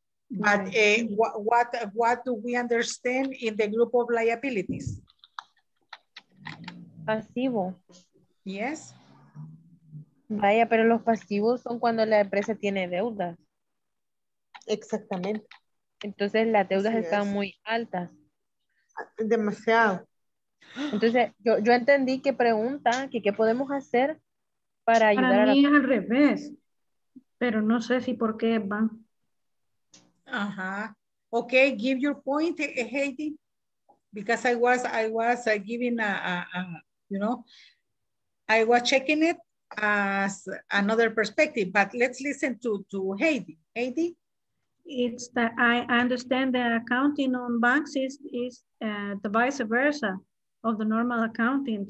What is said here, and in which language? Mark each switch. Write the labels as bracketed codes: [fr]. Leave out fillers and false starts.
[en] But what do we understand in the group of liabilities? [es] Pasivo. [en] Yes. [es] Vaya, pero los pasivos son cuando la empresa tiene deudas. Exactamente. Entonces las deudas están muy altas. Demasiado. Entonces yo entendí que pregunta que qué podemos hacer para ayudar. Para mí es al revés, pero no sé si por qué va. Ajá. [en] Okay, give your point, Heidi, because I was giving I was checking it as another perspective, but let's listen to Heidi. Heidi. It's that I understand the accounting on banks is the vice versa of the normal accounting.